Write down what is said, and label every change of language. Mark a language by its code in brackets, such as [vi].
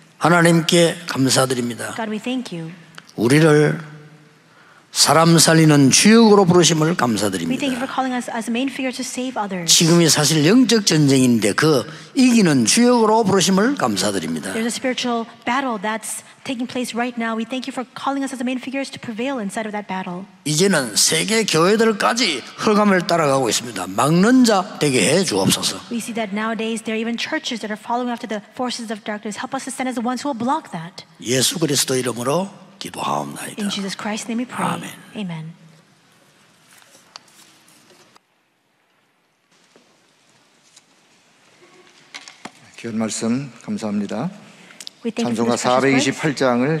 [ko] 하나님께 감사드립니다. [en] God, we thank you. [ko] 우리를 사람 살리는 주역으로 부르심을 감사드립니다. [en] We thank you for calling us as main figure to save others. [ko] 지금이 사실 영적 전쟁인데 그 이기는 주역으로 부르심을 감사드립니다. [en] There's a spiritual battle that's taking place right now. We thank you for calling us as the main figures to prevail inside of that battle. [ko] 이제는 세계 교회들까지 흑암을 따라가고 있습니다. 막는 자 되게 해 주옵소서. [en] We see that nowadays there are even churches that are following after the forces of darkness. Help us to stand as the ones who will block that. [ko] 예수 그리스도 이름으로 기도하옵나이다. [en] In Jesus Christ's name we pray. Amen. Amen. [ko] 귀한 말씀 감사합니다. 찬송가 428장을